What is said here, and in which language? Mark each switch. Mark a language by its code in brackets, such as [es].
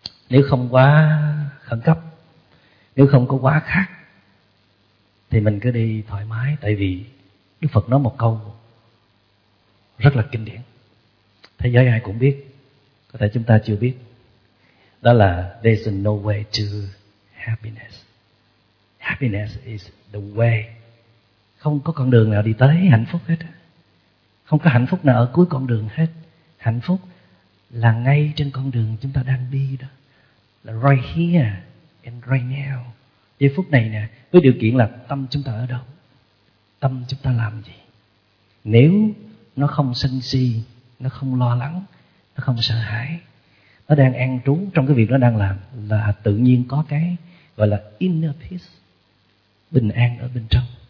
[vi] Nếu không quá khẩn cấp, nếu không có quá khát thì mình cứ đi thoải mái. Tại vì Đức Phật nói một câu rất là kinh điển, thế giới ai cũng biết, có thể chúng ta chưa biết. Đó là [en] there's no way to happiness. Happiness is the way. [vi] Không có con đường nào đi tới hạnh phúc hết. Không có hạnh phúc nào ở cuối con đường hết. Hạnh phúc là ngay trên con đường chúng ta đang đi đó. Là [en] right here and right now. [vi] Giây phút này nè, với điều kiện là tâm chúng ta ở đâu, tâm chúng ta làm gì. Nếu nó không sân si, nó không lo lắng, nó không sợ hãi, nó đang an trú trong cái việc nó đang làm, là tự nhiên có cái gọi là inner peace, bình an ở bên trong.